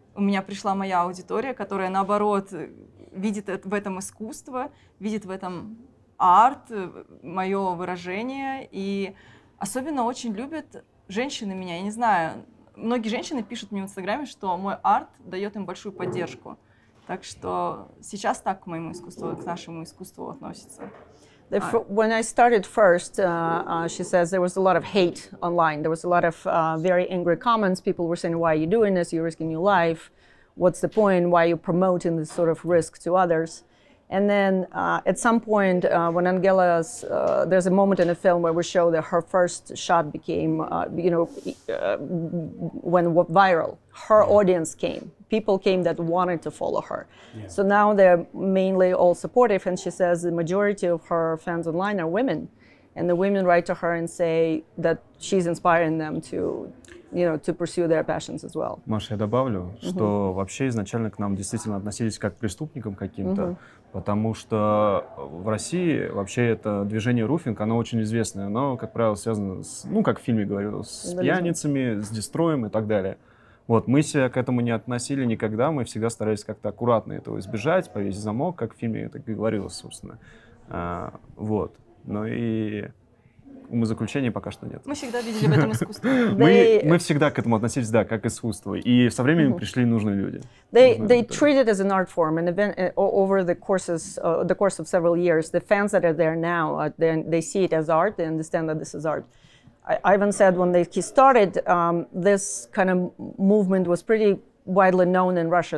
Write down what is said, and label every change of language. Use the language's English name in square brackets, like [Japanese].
[Russian] У меня пришла моя аудитория, которая, наоборот, видит в этом искусство, видит в этом арт, мое выражение. И особенно очень любят женщины меня. Я не знаю, многие женщины пишут мне в Инстаграме, что мой арт дает им большую поддержку. Так что сейчас так к моему искусству, к нашему искусству относятся. [English] When I started first, she says there was a lot of hate online. There was a lot of very angry comments. People were saying, why are you doing this? You're risking your life. What's the point? Why are you promoting this sort of risk to others? And then at some point, when Angela's, there's a moment in the film where we show that her first shot became, went viral. Her audience came. People came that wanted to follow her. Yeah. So now they're mainly all supportive. And she says the majority of her fans online are women. And the women write to her and say that she's inspiring them to you know, to pursue their passions as well. [Russian] Маша, я добавлю, mm-hmm. что вообще изначально к нам действительно относились как к преступникам каким-то, mm-hmm. потому что в России вообще это движение руфинг, оно очень известное, оно, как правило, связано с, ну, как в фильме говорю, с mm-hmm. пьяницами, с дестроем и так далее. Вот, мы себя к этому не относили никогда, мы всегда старались как-то аккуратно этого избежать, повесить замок, как в фильме это и говорилось, собственно. Вот, ну и... Мы заключения пока что нет. Мы всегда видели в этом искусство. мы всегда к этому относились, да, как к искусству. И со временем mm-hmm. пришли нужные люди. [English] They treat it as an art form, and event, over the courses, the course of several years, the fans that are there now, they see it as art. They understand that this is art. Ivan said when they started, this kind of movement was pretty widely known in Russia.